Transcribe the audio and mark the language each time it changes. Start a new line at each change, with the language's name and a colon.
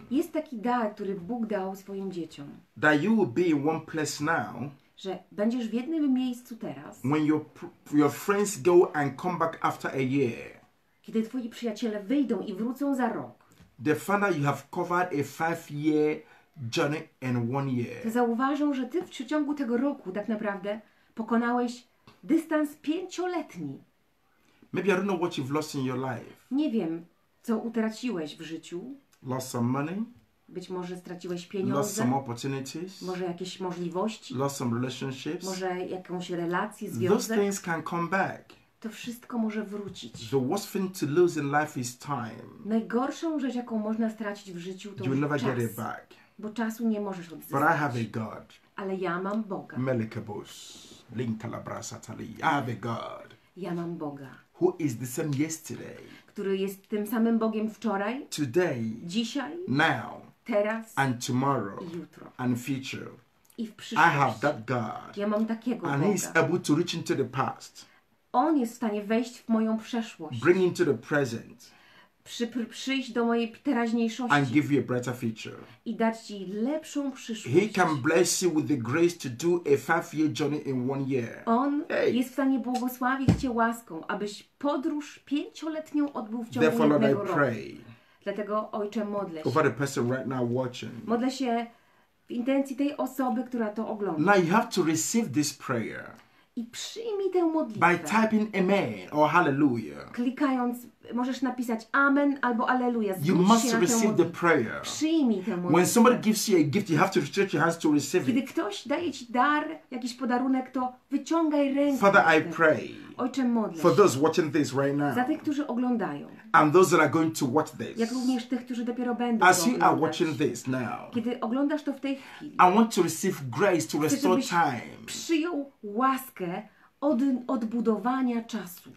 Polish: Jest taki dar, który Bóg dał swoim dzieciom.
English: That you will be in one place now.
Polish: Że będziesz w jednym miejscu teraz.
English: When your friends go and come back after a year.
Polish: Kiedy twoi przyjaciele wyjdą i wrócą za rok.
English: They find that you have covered a 5-year journey in 1 year.
Polish: To zauważą, że ty w ciągu tego roku tak naprawdę pokonałeś dystans 5-letni.
English: Maybe I don't know what you've lost in your life.
Polish: Nie wiem, co utraciłeś w życiu.
English: Lost some money.
Polish: Być może straciłeś pieniądze.
English: Lost some opportunities.
Polish: Może jakieś możliwości.
English: Lost some relationships.
Polish: Może jakąś relację, związek.
English: Those things can come back.
Polish: To wszystko może wrócić.
English: The worst thing to lose in life is time.
Polish: Najgorszą rzecz, jaką można stracić w życiu, to
English: You'll never
Polish: czas.
English: Get it back.
Polish: Bo czasu nie możesz odzyskać.
English: But I have a God.
Polish: Ale ja mam Boga. Melikabus. Linkalabrasatali.
English: I have a God.
Polish: Ja mam Boga.
English: Who is the same yesterday?
Polish: Który jest tym samym Bogiem wczoraj?
English: Today.
Polish: Dzisiaj.
English: Now.
Polish: Teraz.
English: And tomorrow.
Polish: I jutro.
English: And future.
Polish: I w przyszłości.
English: I have that God.
Polish: Ja mam takiego
English: and
Polish: Boga.
English: And He is able to reach into the past.
Polish: On jest w stanie wejść w moją przeszłość.
English: Bring into the present.
Polish: Przyjść do mojej teraźniejszości.
English: And give you a brighter future.
Polish: I dać ci lepszą przyszłość.
English: He can bless you with the grace to do a 5-year journey in 1 year.
Polish: On jest w stanie błogosławić cię łaską, abyś podróż 5-letnią odbył w ciągu
English: Therefore,
Polish: jednego
English: Lord,
Polish: roku.
English: I pray.
Polish: Dlatego Ojcze, modlę się.
English: Over the person right now watching.
Polish: Modlę się w intencji tej osoby, która to ogląda.
English: Now you have to receive this prayer.
Polish: I przyjmij tę modlitwę.
English: By typing amen or hallelujah.
Polish: Klikając, możesz napisać amen albo alleluja.
English: You must receive the prayer.
Polish: Przyjmij tę modlitwę.
English: When somebody gives you a gift, you have to stretch your hands to receive it.
Polish: Kiedy ktoś daje ci dar, jakiś podarunek, to wyciągaj rękę.
English: Father, I pray.
Polish: Ojcze, modlę się.
English: For those watching this right now.
Polish: Za tych, którzy oglądają.
English: And those that are going to watch this.
Polish: Jak również tych, którzy dopiero będą oglądać.
English: As you are watching this now.
Polish: Kiedy oglądasz to w tej chwili.
English: I want to receive grace to restore time.
Polish: Przyjął łaskę odbudowania czasu.